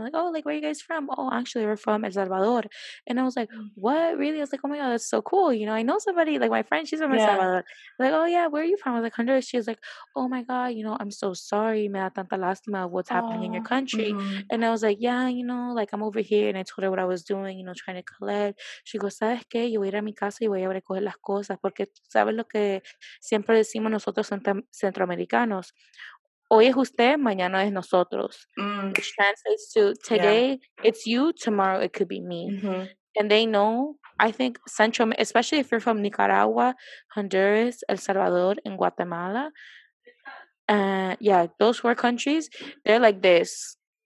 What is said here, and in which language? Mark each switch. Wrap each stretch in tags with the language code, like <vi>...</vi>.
<en>I'm like, oh, like, where are you guys from? Oh, actually, we're from El Salvador. And I was like, what? Really? I was like, oh, my God, that's so cool. You know, I know somebody, like, my friend, she's from El Salvador. Like, oh, yeah, where are you from? I was like, Honduras. She was like, oh, my God, you know, I'm so sorry.</en> <es>Me da tanta lastima</es> <en>of what's happening in your country. Mm-hmm. And I was like, yeah, you know, like, I'm over here. And I told her what I was doing, you know, trying to collect. She goes,</en> <es>¿sabes qué? Yo voy a ir a mi casa y voy a recoger las cosas porque sabes lo que... Siempre decimos nosotros centroamericanos, hoy es usted, mañana es nosotros. Mm.</es> <en>Which translates to, today, it's you, tomorrow it could be me. Mm-hmm. And they know, I think, Central, especially if you're from Nicaragua, Honduras, El Salvador, and Guatemala. Those four countries, they're like this.</en>